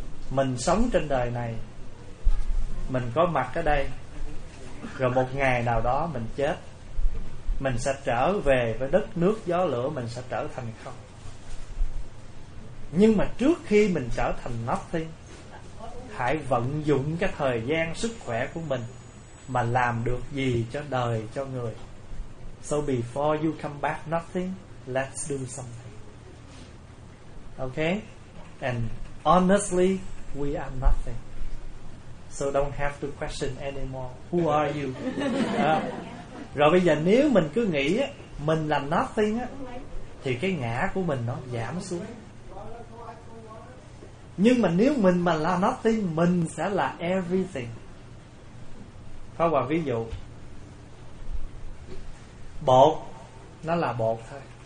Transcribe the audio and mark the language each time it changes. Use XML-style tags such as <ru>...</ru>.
<vi>Mình sống trên đời này, mình có mặt ở đây, rồi một ngày nào đó mình chết, mình sẽ trở về với đất nước gió lửa, mình sẽ trở thành không. Nhưng mà trước khi mình trở thành nothing, hãy vận dụng cái thời gian sức khỏe của mình mà làm được gì cho đời, cho người.</vi> <en>So before you come back nothing, let's do something. Okay? And honestly, we are nothing. So don't have to question anymore. Who are you?</en> <vi>Rồi bây giờ nếu mình cứ nghĩ á, mình là nothing á, thì cái ngã của mình nó giảm xuống. Nhưng mà nếu mình mà là nothing, mình sẽ là everything. Pháp Hòa ví dụ, bột, nó là bột thôi.</vi>